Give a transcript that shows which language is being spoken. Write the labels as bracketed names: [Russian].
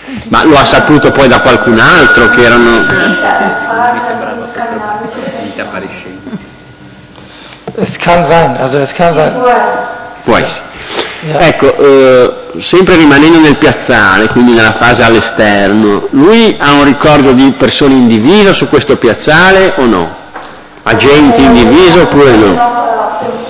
[Italian] Ma lo ha saputo poi da qualcun altro che erano. Mi sembrava fosse vita appariscente. [German] Es kann sein, also es kann sein. [Italian] Può essere. Yeah. Ecco, sempre rimanendo nel piazzale, quindi nella fase all'esterno, lui ha un ricordo di persone in divisa su questo piazzale o no? Agenti in divisa oppure no?